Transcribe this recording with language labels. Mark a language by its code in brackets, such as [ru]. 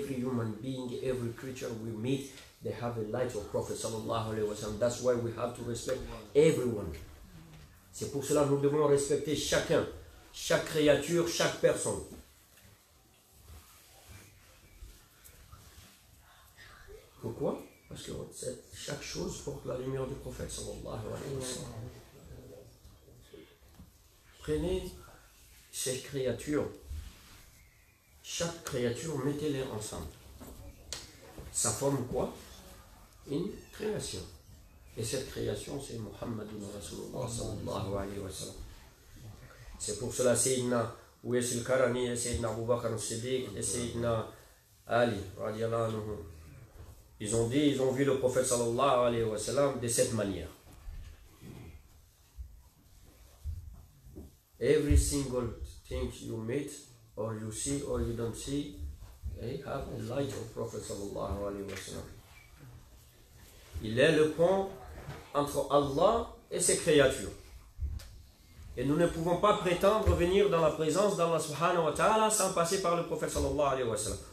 [en] Every human being, every creature we meet, they have the light of Prophet [ar] sallallahu alayhi wa sallam. [en] That's why we have to respect everyone. [fr] C'est pour cela que nous devons respecter chacun, chaque créature, chaque personne. Pourquoi? Parce que chaque chose porte la lumière du prophète [ar] sallallahu alayhi wa sallam. [fr] Prenez ces créatures. Chaque créature, mettez-les ensemble. Ça forme quoi? Une création. Et cette création, c'est [ar] Muhammadun Rasulullah sallallahu alayhi wa sallam. [fr] C'est pour cela, Sayyidina Uyasil Karani, Sayyidina Abu Bakr al-Siddiq, Sayyidina Ali, [ar] radiallahu anhu. [fr] Ils ont dit, ils ont vu le prophète [ar] sallallahu alayhi wa sallam [fr] de cette manière. [en] Every single thing you meet, or you see, or you don't see, they have the light of prophet [ar] sallallahu alayhi wa sallam. [fr] Il est le pont entre Allah et ses créatures. Et nous ne pouvons pas prétendre venir dans la présence d'Allah [ar] subhanahu wa ta'ala [fr] sans passer par le prophète [ar] sallallahu alayhi wa sallam.